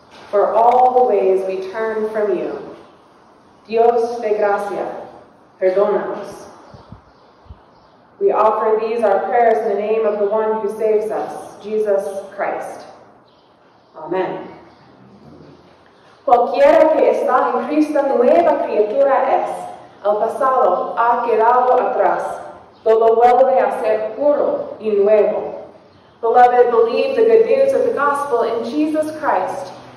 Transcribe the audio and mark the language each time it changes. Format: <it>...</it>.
<en>For all the ways we turn from you.</en> <es>Dios de gracia, perdónanos.</es> <en>We offer these our prayers in the name of the one who saves us, Jesus Christ. Amen.</en> <es>Cualquiera que está en Cristo nueva criatura es. El pasado ha quedado atrás. Todo vuelve a ser puro y nuevo.</es> <en>Beloved, believe the good news of the gospel in Jesus Christ.</en>